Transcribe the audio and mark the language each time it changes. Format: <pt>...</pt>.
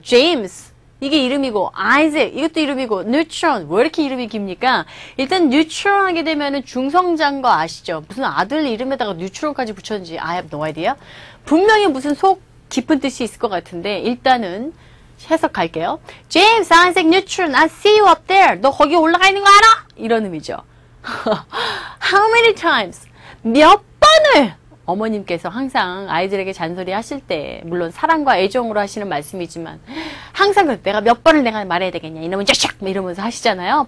<ko>제임스 이게 이름이고 아이작 이것도 이름이고 뉴트론 왜 이렇게 이름이 깁니까? 일단 뉴트론 하게 되면 중성장거 아시죠? 무슨 아들 이름에다가 뉴트론까지 붙였는지</ko> <en>I have no idea.</en> <ko>분명히 무슨 속 깊은 뜻이 있을 것 같은데 일단은 해석할게요.</ko> <en>James Isaac Neutron, I see you up there.</en> <ko>너 거기 올라가 있는 거 알아? 이런 의미죠.</ko> <en>How many times?</en> <ko>몇 번을? 어머님께서 항상 아이들에게 잔소리 하실 때 물론 사랑과 애정으로 하시는 말씀이지만 항상 내가 몇 번을 내가 말해야 되겠냐 이러면 쫙 이러면서 하시잖아요.</ko>